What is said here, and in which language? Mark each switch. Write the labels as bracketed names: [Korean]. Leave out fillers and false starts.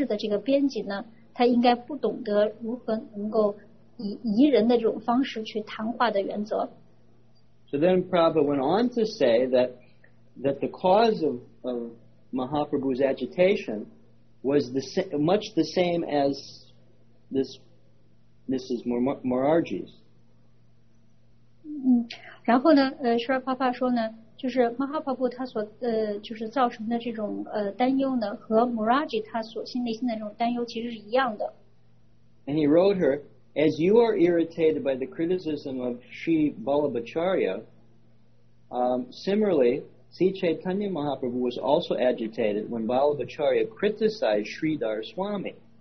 [Chinese] 那么释迦牟尼佛呢就向他道歉，他就说呢，就是这么写是不对的，而且呢，就是出版这个杂志的这个编辑呢，他应该不懂得如何能够以宜人的这种方式去谈话的原则。 [English] So then Prabhupada went on to say that the cause of Mahaprabhu's agitation was much the same as this Mrs. Morarji's. [Chinese] 然后呢，Shri Papa说呢。就是马哈帕布他所造成的这种担忧呢，和穆拉吉他所心内心的这种担忧其实是一样的。 [English] And he wrote her, as you are irritated by the criticism of Sri Vallabhacharya, similarly, Sri Chaitanya Mahaprabhu was also agitated when Vallabhacharya criticized Sridhar Swami.